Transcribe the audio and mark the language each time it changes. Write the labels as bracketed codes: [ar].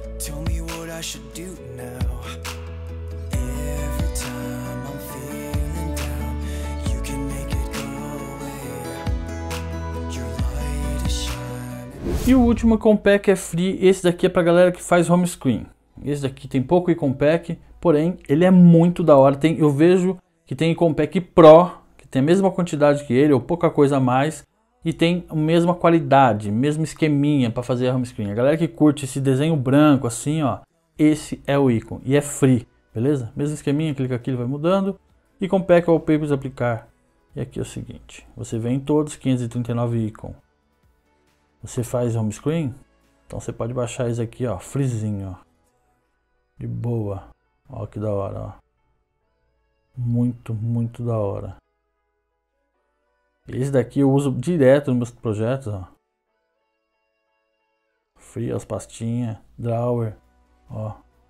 [en] Tell me what I should do now. Every time I'm feeling down, you can make it go away. Your light is shining. [pt] E o último compact é free. Esse daqui é pra galera que faz home screen. Esse daqui tem pouco e compact, porém ele é muito da hora. Tem, eu vejo que tem compact pro, que tem a mesma quantidade que ele ou pouca coisa a mais. E tem a mesma qualidade, mesmo esqueminha para fazer a home screen. A galera que curte esse desenho branco assim, ó, esse é o ícone. E é free, beleza? Mesmo esqueminha, clica aqui, ele vai mudando. E com pack wallpapers aplicar. E aqui é o seguinte, você vê em todos 539 ícones. Você faz home screen? Então você pode baixar esse aqui, ó, freezinho, ó. De boa. Ó que da hora, ó. Muito, muito da hora. Esse daqui eu uso direto nos meus projetos, ó. Free, as pastinhas, drawer, ó.